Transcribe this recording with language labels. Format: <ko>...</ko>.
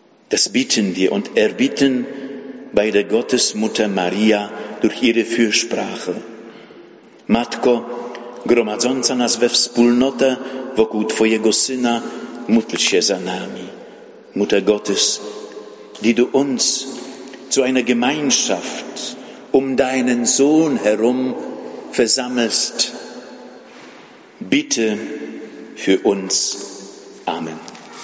<de>Das bitten wir und erbitten bei der Gottesmutter Maria durch ihre Fürsprache.</de> <pl>Matko, gromadząca nas we wspólnotę wokół Twojego Syna, módl się za nami.</pl> <de>Mutter Gottes, die du uns zu einer Gemeinschaft um deinen Sohn herum versammelst, bitte für uns. Amen.</de>